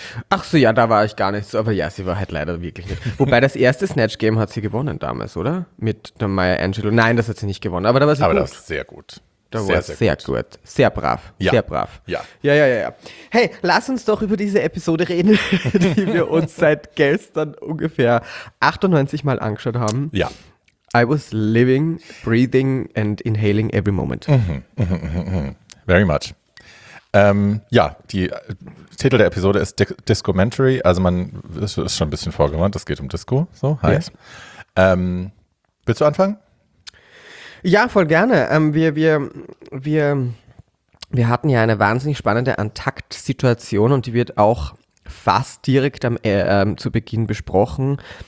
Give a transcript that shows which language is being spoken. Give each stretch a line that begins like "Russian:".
German: Ach so, ja, da war ich gar nicht so, aber ja, sie war halt leider wirklich nicht. Wobei das erste Snatch Game hat sie gewonnen damals, oder? Mit der Maya Angelou. Nein, das hat sie nicht gewonnen, aber da war sie aber gut. Aber das ist sehr gut. Da war sehr gut. Gut. Sehr brav. Ja. Sehr brav. Ja. Ja. Hey, lass uns doch über diese Episode reden, die wir uns seit gestern ungefähr 98 Mal angeschaut haben. Ja.
English: I was living, breathing and inhaling every moment. Very much.
German: Titel der Episode ist Discomentary. Also man ist schon ein bisschen vorgewarnt, es geht um Disco. So heißt. Yeah. Willst du anfangen? Ja, voll gerne. Wir hatten ja eine wahnsinnig spannende Antakt-Situation und die wird auch fast direkt zu Beginn besprochen.